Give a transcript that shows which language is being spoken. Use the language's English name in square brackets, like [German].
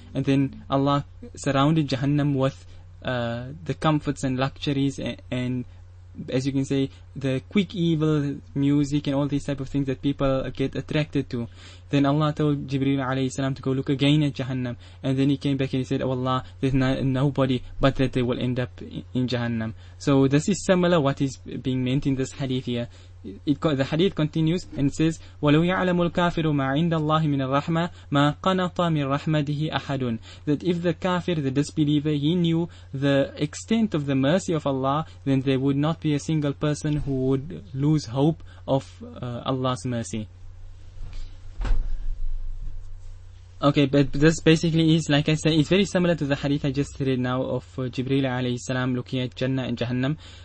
[English] And then Allah surrounded Jahannam with the comforts and luxuries and as you can say, the quick evil music and all these type of things that people get attracted to. Then Allah told Jibreel alayhi salam to go look again at Jahannam. And then he came back and he said, oh Allah, there's nobody but that they will end up in Jahannam. So this is similar what is being meant in this hadith here. The hadith continues and says, [Arabic] وَلَوْ يَعْلَمُ الْكَافِرُ مَا عِنْدَ اللَّهِ مِنَ الرَّحْمَةِ مَا قَنَطَ مِنْ رَحْمَدِهِ أَحَدٌ. [English] That if the kafir, the disbeliever, he knew the extent of the mercy of Allah, then there would not be a single person who would lose hope of Allah's mercy. Okay, but this basically is, like I said, it's very similar to the hadith I just read now of Jibreel alayhi salam looking at Jannah and Jahannam.